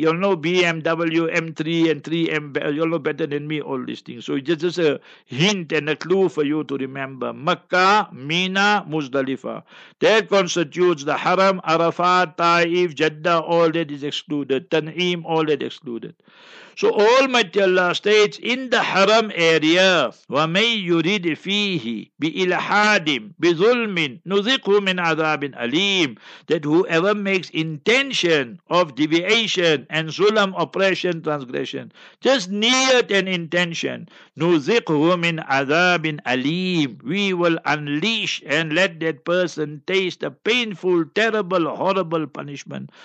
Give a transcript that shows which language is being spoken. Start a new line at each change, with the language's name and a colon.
English: You'll know BMW, M3 and 3M. You'll know better than me all these things. So it's just a hint and a clue for you to remember. Makkah, Mina, Muzdalifah. That constitutes the haram. Arafat, Taif, Jeddah, all that is excluded. Tan'im, all that excluded. So Almighty Allah states, in the haram area,
Arabic: وَمَنْ يُرِدْ فِيهِ بِإِلْحَادٍ بِظُلْمٍ نُذِقْهُ مِنْ عَذَابٍ أَلِيمٍ.
English: That whoever makes intention of deviation and zulam, oppression, transgression, just near an intention,
Arabic: نُذِقْهُ مِنْ عَذَابٍ أَلِيمٍ,
English: we will unleash and let that person taste a painful, terrible, horrible punishment.